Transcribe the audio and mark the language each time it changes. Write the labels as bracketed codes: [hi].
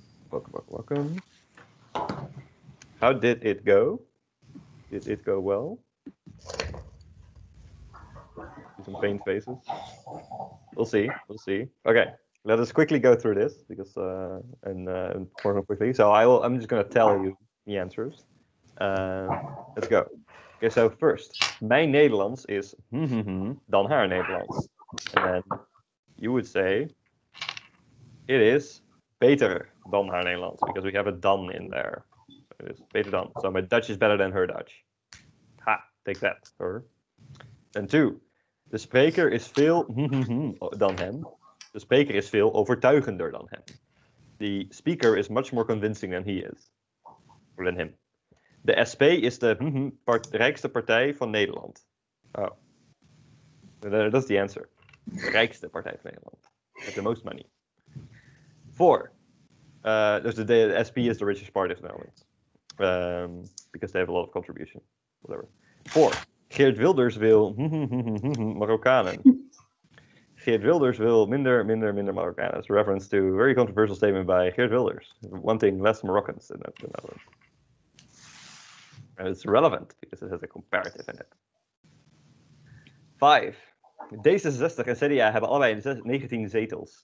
[en] Welcome. How did it go? Did it go well? Some pained faces. We'll see. Okay, let us quickly go through this because important quickly. So I'm just going to tell you the answers. Let's go. [nl] Okay, so first, mijn Nederlands is dan haar Nederlands. [en] And then you would say, it is [nl] beter dan haar Nederlands, [en] because we have a dan in there. So it is [nl] beter dan. [en] So my Dutch is better than her Dutch. Ha, take that, her. And two, [nl] de spreker is veel dan hem. De spreker is veel overtuigender dan hem. [en] The speaker is much more convincing than he is. Or than him. [nl] De SP is de rijkste partij van Nederland. Oh. Dat is de answer. De rijkste partij van Nederland. [en] With the most money. Four. [nl] Dus de SP is [en] the richest part of Nederland. Because they have a lot of contribution. Whatever. Four. [nl] Geert Wilders wil Marokkanen. Geert Wilders wil minder Marokkanen. [en] It's a reference to a very controversial statement by Geert Wilders. Wanting less Moroccans in the Netherlands. And it's relevant, because it has a comparative in it. 5. [nl] D66 en CDA hebben allebei 19 zetels.